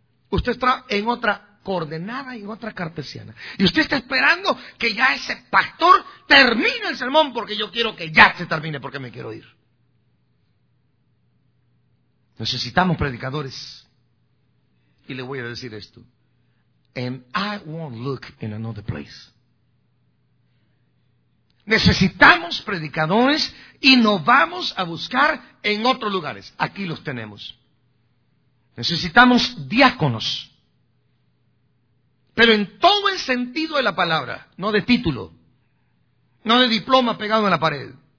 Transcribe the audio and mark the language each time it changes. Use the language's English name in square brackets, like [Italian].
[Spanish] Usted está en otra coordenada y otra cartesiana. Y usted está esperando que ya ese pastor termine el sermón, porque yo quiero que ya se termine, porque me quiero ir. Necesitamos predicadores. Y le voy a decir esto. [English] And I won't look in another place. [Spanish] Necesitamos predicadores y nos vamos a buscar en otros lugares. Aquí los tenemos. Necesitamos diáconos. Pero en todo el sentido de la palabra, no de título, no de diploma pegado en la pared.